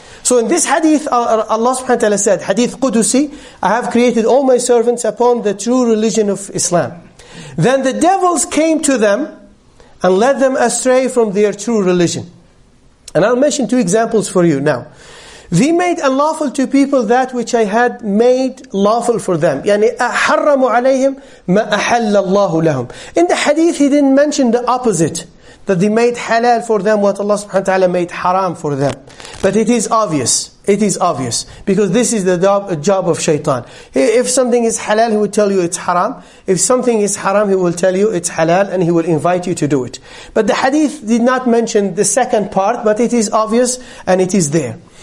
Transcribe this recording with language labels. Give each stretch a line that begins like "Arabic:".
English: So in this hadith, Allah subhanahu wa ta'ala said, hadith Qudusi, I have created all my servants upon the true religion of Islam. Then the devils came to them and led them astray from their true religion. And I'll mention two examples for you now. They made unlawful to people that which I had made lawful for them.
Arabic: يعني أحرموا عليهم ما أحل الله لهم.
English: In the hadith, he didn't mention the opposite, that they made halal for them what Allah subhanahu wa ta'ala made haram for them. But it is obvious. It is obvious. Because this is the job of shaitan. If something is halal, he will tell you it's haram. If something is haram, he will tell you it's halal and he will invite you to do it. But the hadith did not mention the second part, but it is obvious and it is there.